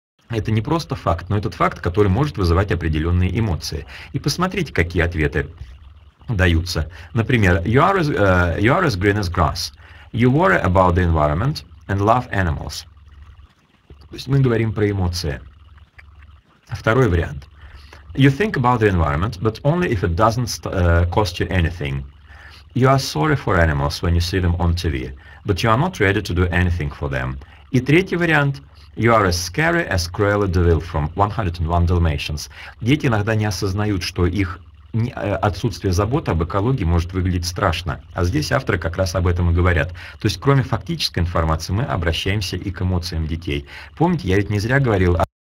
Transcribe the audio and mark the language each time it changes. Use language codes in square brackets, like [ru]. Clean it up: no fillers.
[ru] Это не просто факт, но этот факт, который может вызывать определенные эмоции. И посмотрите, какие ответы даются. Например, [en] you are as green as grass. You worry about the environment and love animals. [ru] То есть мы говорим про эмоции. Второй вариант. [en] You think about the environment, but only if it doesn't cost you anything. You are sorry for animals when you see them on TV, but you are not ready to do anything for them. [ru] И третий вариант. [en] You are as scary as Cruella de Vil from 101 Dalmatians. [ru] Дети иногда не осознают, что их отсутствие заботы об экологии может выглядеть страшно. А здесь авторы как раз об этом и говорят. То есть кроме фактической информации мы обращаемся и к эмоциям детей. Помните, я ведь не зря говорил о...